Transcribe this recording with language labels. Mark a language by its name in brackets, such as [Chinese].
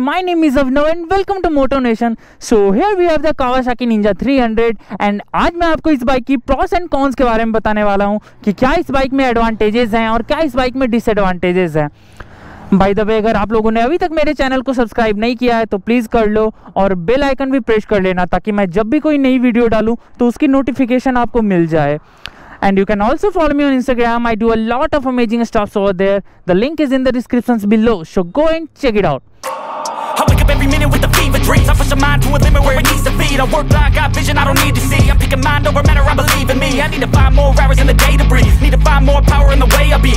[English] My name is Avnav and welcome to Moto Nation. So here we have the Kawasaki Ninja 300 and [Hindi] आज मैं आपको इस bike की pros and cons के बारे में बताने वाला हूँ कि क्या इस बाइक में एडवांटेजेस हैं और क्या इस बाइक में डिसएडवांटेजेस हैं। [English] By the way, [Hindi] अगर आप लोगों ने अभी तक मेरे चैनल को सब्सक्राइब नहीं किया है तो प्लीज़ कर लो और बेल आइकन भी प्रेस कर लेना ताकि मैं जब भी कोई नई वीडियो डालूँ तो उसकी नोटिफिकेशन आपको मिल जाए। [English] And you can also follow me on Instagram. I do a lot of amazing stuff over there. The link is in the descriptions below. So go and check it out. I wake up every minute with the fever dreams. I push my mind to a limit where it needs to be. I work like I got vision I don't need to see. I'm picking mind over matter, I believe in me. I need to find more hours in the day to breathe. Need to find more power in the way I be.